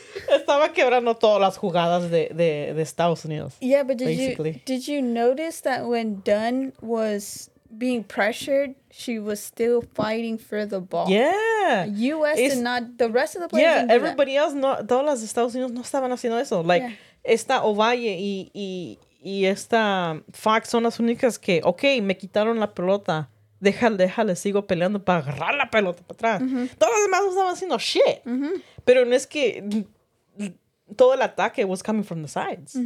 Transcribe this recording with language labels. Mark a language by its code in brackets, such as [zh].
[es] Estaba quebrando todas las jugadas de Estados Unidos. [en] Yeah, but did you notice that when Dunn was being pressured, she was still fighting for the ball? Yeah. U.S. It's, and not the rest of the players. Yeah, everybody else, [es] no, todas las de Estados Unidos no estaban haciendo eso. [en] Like, yeah. [es] Esta Ovalle y esta Fox son las únicas que, okay, me quitaron la pelota. Déjale, sigo peleando para agarrar la pelota para atrás. Mm-hmm. Todas las demás no estaban haciendo shit. Mm-hmm. Pero no es que todo el ataque [en] was coming from the sides.